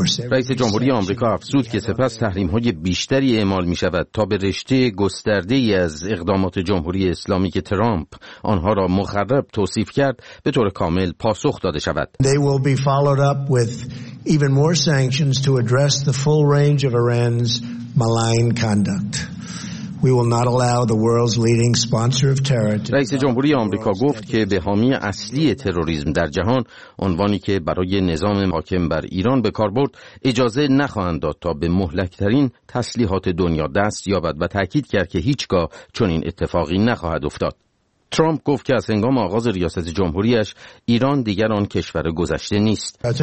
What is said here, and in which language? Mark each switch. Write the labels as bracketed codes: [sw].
[fa] رئیس جمهوری آمریکا افزود که سپس تحریم‌های بیشتری اعمال می‌شود تا به رشته گسترده‌ای از اقدامات جمهوری اسلامی که ترامپ آنها را مخرب توصیف کرد به طور کامل پاسخ داده شود. [en] They will be followed up with even more sanctions to address the full range of Iran's malign conduct. We will not allow the world's leading sponsor of terror. [fa] رئیس جمهوری آمریکا گفت که به حامی اصلی تروریسم در جهان، عنوانی که برای نظام حاکم بر ایران به کار برد، اجازه نخواهند داد تا به مهلک‌ترین تسلیحات دنیا دست یابد و تاکید کرد که هیچگاه چنین اتفاقی نخواهد افتاد. ترامپ گفت که از هنگام آغاز ریاست جمهوریش ایران دیگر آن کشور گذشته نیست.